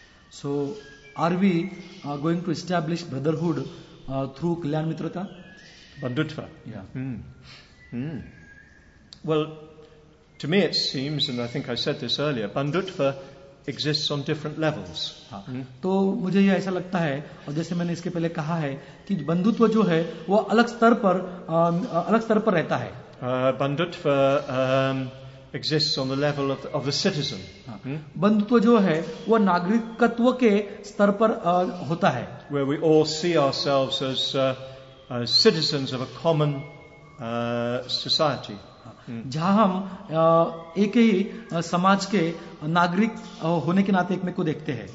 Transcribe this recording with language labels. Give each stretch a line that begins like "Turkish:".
English: So, are we going to establish brotherhood through Kalyan Mitrata?
Hindi: Bandhutva.
English: Yeah. Well, to me it seems, and I think I said this earlier, Bandhutva exists on different levels.
Hindi: तो मुझे ये ऐसा लगता है और जैसे मैंने इसके पहले कहा है कि बंधुत्व जो है वो अलग स्तर पर रहता है.
English: Bandhutva exists on the level of the citizen.
Hindi: बंधुत्व जो है वो नागरिकत्व के स्तर पर होता है.
English: Where we all see ourselves as citizens of a common society.
Hindi: जहां हम एक ही समाज के नागरिक होने के नाते एक में को देखते हैं.